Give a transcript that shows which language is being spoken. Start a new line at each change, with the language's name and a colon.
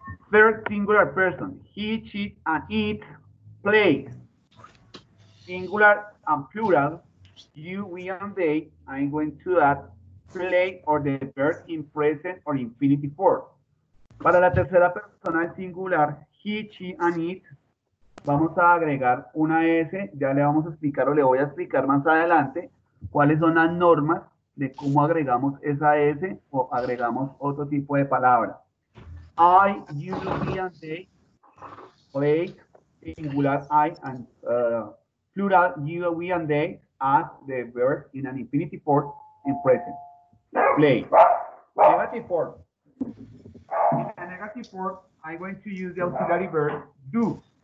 English: First singular person, he, she, and it, play. Singular and plural, you, we, and they, I'm going to add play or the verb in present or infinitive form.
Spanish: Para la tercera persona en singular,
English: he, she, and it,
Spanish: vamos a agregar una S, ya le vamos a explicar o le voy a explicar más adelante cuáles son las normas de cómo agregamos esa S o agregamos otro tipo de palabra.
English: I, you, me, and they, play, singular, I, and plural, you, we, and they, as the verb in an infinitive form in present. Play. Negative form. In a negative form, I'm going to use the auxiliary verb do.